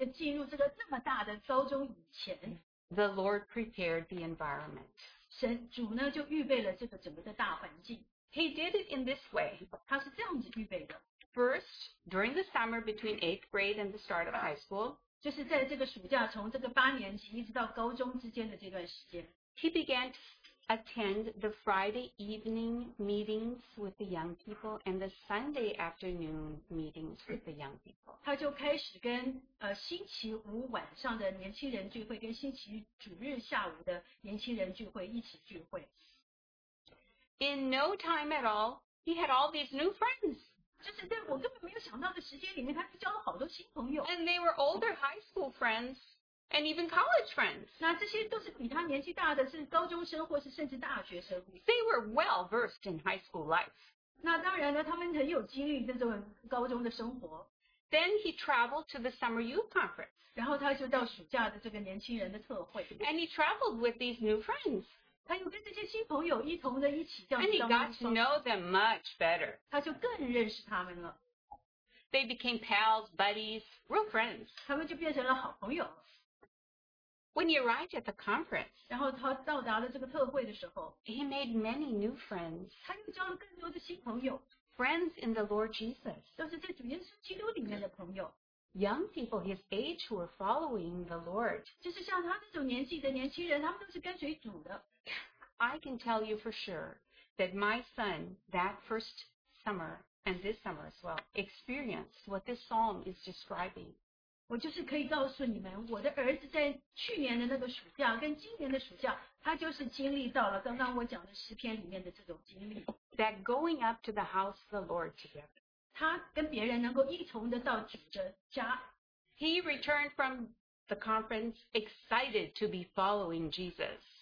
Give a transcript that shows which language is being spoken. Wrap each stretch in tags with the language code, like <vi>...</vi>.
<zh>那就是在我的儿子在进入这个这么大的高中以前,</zh> <en>the Lord prepared the environment.</en> <zh>神主呢就预备了这个整个的大环境.</zh> <en>He did it in this way.</en> <zh>他是这样子预备的.</zh> <en>First, during the summer between 8th grade and the start of high school,</en> <zh>就是在这个暑假从这个八年级一直到高中之间的这段时间,</zh> <en>he began to attend the Friday evening meetings with the young people and the Sunday afternoon meetings with the young people.</en> <zh>他就开始跟星期五晚上的年轻人聚会跟星期主日下午的年轻人聚会一起聚会.</zh> <en>In no time at all, he had all these new friends.</en> <zh>就是在我根本没有想到的时间里面,他就交了好多新朋友.</zh> <en>And they were older high school friends. And even college friends.</en> <zh>那这些都是比他年纪大的,是高中生或是甚至大学生。</zh> <en>They were well versed in high school life.</en> <zh>那当然呢,他们很有机遇在这种高中的生活。</zh> <en>Then he traveled to the summer youth conference.</en> <zh>然后他就到暑假的这个年轻人的特会。</zh> <en>And he traveled with these new friends.</en> <zh>他又跟这些新朋友一同的一起这样。</zh> <en>And he got to know them much better.</en> <zh>他就更认识他们了。</zh> <en>They became pals, buddies, real friends.</en> <zh>他们就变成了好朋友。</zh> <en>When he arrived at the conference,</en> <zh>然后他到达了这个特会的时候,</zh> <en>he made many new friends.</en> <zh>他又交了更多的新朋友,</zh> <en>friends in the Lord Jesus.</en> <zh>都是在主耶稣基督里面的朋友,</zh> <en>young people his age who were following the Lord.</en> <zh>就是像他这种年纪的年轻人, 他们都是跟随主的。</zh> <en>I can tell you for sure that my son, that first summer and this summer as well, experienced what this psalm is describing.</en> <zh>我就是可以告诉你们,我的儿子在去年的那个暑假跟今年的暑假,他就是经历到了刚刚我讲的诗篇里面的这种经历。</zh> <en>That going up to the house of the Lord together.</en> <zh>他跟别人能够一同的到主的家。</zh> <en>He returned from the conference excited to be following Jesus.</en>